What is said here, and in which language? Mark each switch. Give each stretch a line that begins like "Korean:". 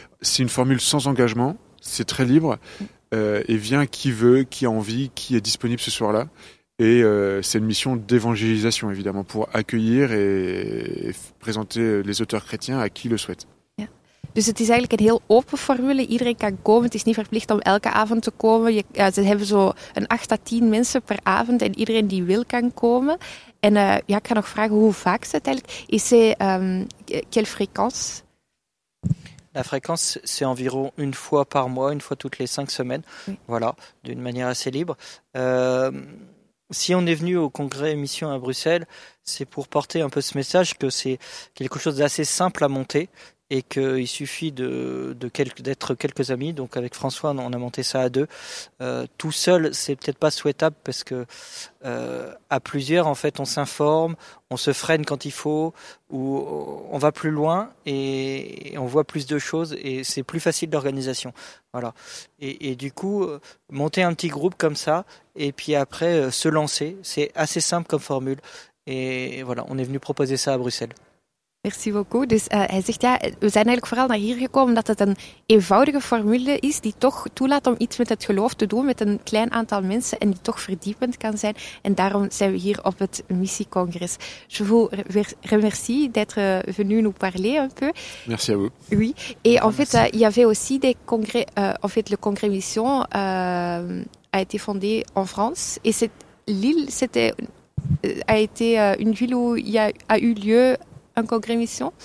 French: C'est une formule sans engagement, c'est très libre. Et vient qui veut, qui a envie, qui est disponible ce soir-là. Et c'est une mission d'évangélisation, évidemment, pour accueillir et présenter les auteurs chrétiens à qui le souhaite.
English: Yeah.
Dutch: Dus het is eigenlijk een heel open formule. Iedereen kan komen. Het is niet verplicht om elke avond te komen. Ze hebben zo een 8 à 10 mensen per avond. En iedereen die wil kan komen. En ja, ik ga nog vragen hoe vaak ze het eigenlijk. Is ze,
French: quelle fréquence? La fréquence, c'est environ une fois par mois, une fois toutes les 5 semaines. Oui. Voilà, d'une manière assez libre. Si on est venu au congrès mission à Bruxelles, c'est pour porter un peu ce message que c'est quelque chose d'assez simple à monter et qu'il suffit d'être quelques amis. Donc avec François, on a monté ça à deux. Tout seul, c'est peut-être pas souhaitable parce que à plusieurs, en fait, on s'informe, on se freine quand il faut, ou on va plus loin et on voit plus de choses et c'est plus facile d'organisation. Voilà. Et du coup, monter un petit groupe comme ça et puis après se lancer, c'est assez simple comme formule. Et voilà, on est venu proposer ça à Bruxelles. Merci beaucoup.
Dutch: Dus hij zegt, ja, we zijn eigenlijk vooral naar hier gekomen omdat het een eenvoudige formule is die toch toelaat om iets met het geloof te doen met een klein aantal mensen en die toch verdiepend kan zijn. En daarom zijn we hier op het missiecongres.
French: Je vous remercie d'être venu nous parler un peu. Merci à vous. Oui. Et en fait, il y avait aussi des congrès, en fait, le congrès mission a été fondé en France. Et Lille, c'était, a été une ville où il a eu lieu un congrès mission?